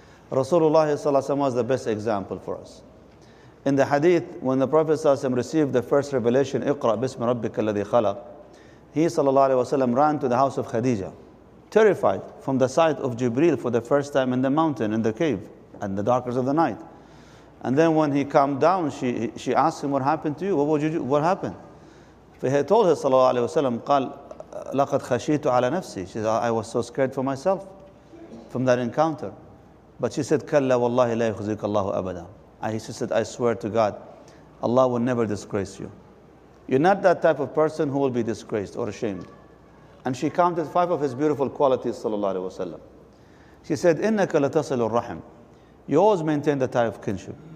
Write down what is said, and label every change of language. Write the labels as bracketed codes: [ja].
[en] Rasulullah sallallahu alaihi wasallam was the best example for us. In the hadith, when the Prophet sallallahu alaihi wasallam received the first revelation, [ar] اقرأ باسم ربك الذي خلق, [en] he sallallahu alaihi wasallam ran to the house of Khadija, terrified from the sight of Jibreel for the first time in the mountain, in the cave, and the darkness of the night. And then when he calmed down, she asked him, "What happened to you? What happened?" He told her sallallahu alaihi wasallam, [ar] قال لقد خشيت على نفسي. [en] She said, "I was so scared for myself from that encounter." But she said, [ar] كلا والله لا يخزيك الله أبدا. [en] And he said, "I swear to God, Allah will never disgrace you. You're not that type of person who will be disgraced or ashamed." And she counted five of his beautiful qualities, sallallahu alayhi wa sallam. She said, [ar] "Innaka latasilu rahim." [en] You always maintain the tie of kinship.